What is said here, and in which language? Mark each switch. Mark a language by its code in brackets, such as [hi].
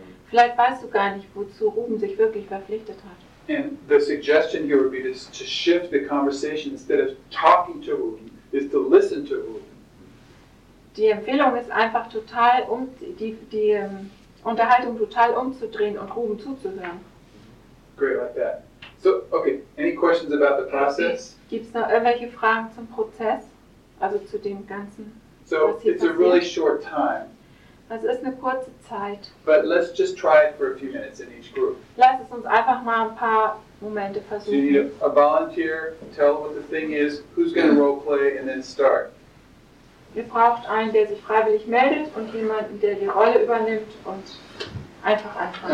[de] Vielleicht weißt du gar nicht, wozu Ruben sich wirklich verpflichtet hat. [en] And the suggestion here would be to shift the conversation instead of talking to Ruben, is to listen to Ruben. [de] Die Empfehlung ist einfach total, Unterhaltung total umzudrehen und Ruben zuzuhören. [en] Great, like that. So, okay, any questions about the process? [de] Gibt es noch irgendwelche Fragen zum Prozess? Also zu dem Ganzen, so, was hier it's passiert? [en] A really short time. [de] Das ist eine kurze Zeit. [en] But let's just try it for a few minutes in each group. [de] Lass es uns einfach mal ein paar Momente versuchen. [en] So you need a volunteer, tell what the thing is, who's going to role play, and then start. [de] Ihr braucht einen, der sich freiwillig meldet und jemanden, der die Rolle übernimmt und einfach anfangen.